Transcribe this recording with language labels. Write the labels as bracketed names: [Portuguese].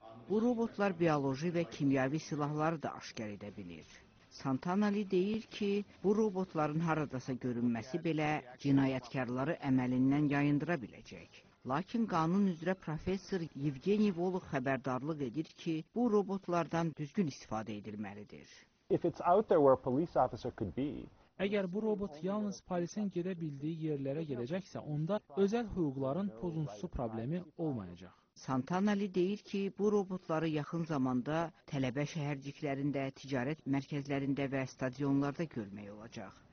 [Azerbaijani] Bu robotlar bioloji və kimyavi silahları da aşkar edə bilir. Santana Lee deyir ki, bu robotların haradasa görünməsi belə cinayətkarları əməlindən yayındıra biləcək. Lakin qanun üzrə professor Yevgeniy Volok xəbərdarlıq edir ki, bu robotlardan düzgün istifadə edilməlidir. [English] If it's out there where a police officer could be. [Azerbaijani] Əgər bu robot yalnız polisin gedə bildiyi yerlərə gedəcəksə, onda özəl hüquqların pozuntusu problemi olmayacaq. Santana Lee deyir ki, bu robotları yaxın zamanda tələbə şəhərciklərində, ticarət mərkəzlərində və stadionlarda görmək olacaq.